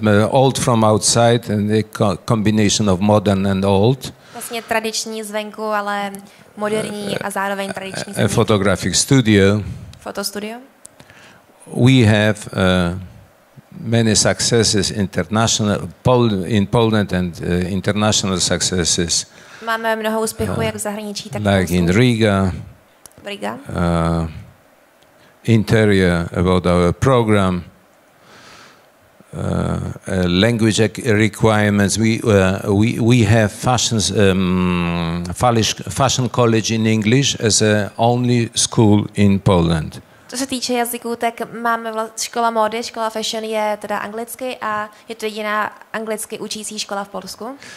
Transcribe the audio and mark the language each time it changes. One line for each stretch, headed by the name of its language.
English: Old from outside and a combination of modern and old.
Czech: Vlastně tradiční zvenku, ale moderní a zároveň tradiční zvenku.
English: A photographic studio.
Czech: Fotostudio.
English: We have many successes international in Poland and international successes.
Czech: Máme mnoho úspěchů jak v zahraničí, tak
English: like in Riga.
Czech: Riga.
English: Interior about our program. Language requirements. We have fashion college in English as a only school in Poland.
Czech: Co se týče jazyků, tak máme škola módy, škola fashion je teda anglicky a je to jediná anglicky učící škola v Polsku.